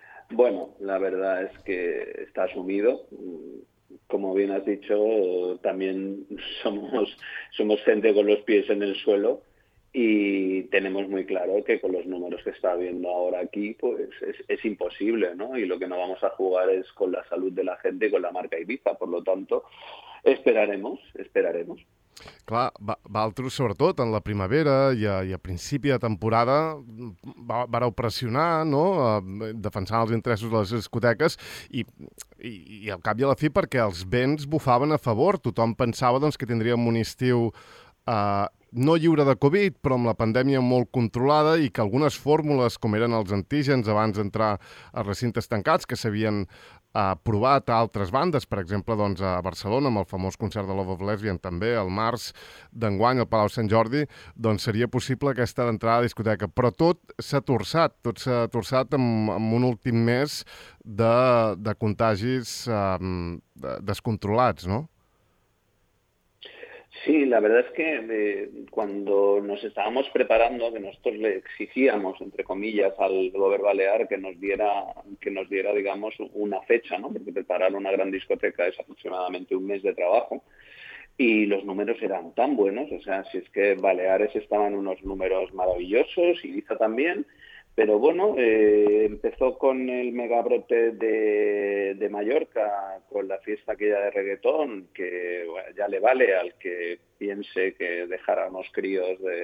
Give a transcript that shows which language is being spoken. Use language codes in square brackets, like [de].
[es] Bueno, la verdad es que está asumido. Como bien has dicho, también somos gente con los pies en el suelo y tenemos muy claro que con los números que está habiendo ahora aquí, pues es imposible, ¿no? Y lo que no vamos a jugar es con la salud de la gente, con la marca Eivissa. Por lo tanto, esperaremos. [ca] Clar, vosaltres, sobretot en la primavera i a principi de temporada, vareu pressionar, no?, defensant els interessos de les discoteques i al cap i a la fi perquè els vents bufaven a favor. Tothom pensava doncs, que tindríem un estiu no lliure de Covid, però amb la pandèmia molt controlada i que algunes fórmules, com eren els antígens abans d'entrar a recintes tancats, que s'havien provat a altres bandes, per exemple doncs, a Barcelona, amb el famós concert de Love of Lesbian, també al març d'enguany al Palau Sant Jordi, doncs seria possible aquesta d'entrada a discoteca. Però tot s'ha torçat amb un últim mes de contagis descontrolats, no? [es] Sí, la verdad es que cuando nos estábamos preparando, que nosotros le exigíamos, entre comillas, al Gobierno Balear que nos diera, digamos, una fecha, ¿no? Porque preparar una gran discoteca es aproximadamente un mes de trabajo y los números eran tan buenos, o sea, si es que Baleares estaban unos números maravillosos, Eivissa también, pero bueno, empezó con el megabrote de Mallorca, con la fiesta aquella de reggaetón, que bueno, ya le vale al que piense que dejar a unos críos